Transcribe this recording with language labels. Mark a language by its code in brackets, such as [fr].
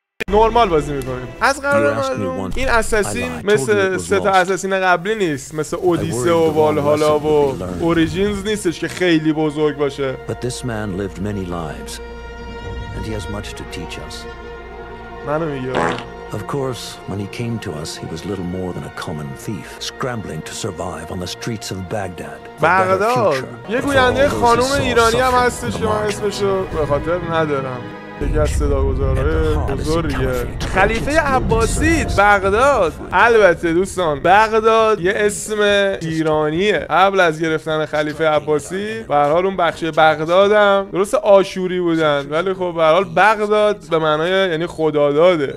[fa] نورمال بازی میکنیم از قرار معلوم. این اساسین مثل سه تا اساسین قبلی نیست، مثل اودیسه و والهالا و اوریجینز نیستش که خیلی بزرگ باشه. منو میگه [en] Of course, when he came to us, he was little more than a common thief, scrambling to survive on the streets of Baghdad. [fa] بغداد. یه گوینده خانم ایرانی هم هستش که من اسمشو به خاطر ندارم. یکی از صداگذارهای بزرگه. خلیفه عباسی بغداد. البته دوستان، بغداد یه اسم ایرانیه. قبل از گرفتن خلیفه عباسی، به هر حال اون بخش بغداد هم درست آشوری بودن، ولی خب به هر حال بغداد به معنای یعنی خداداده.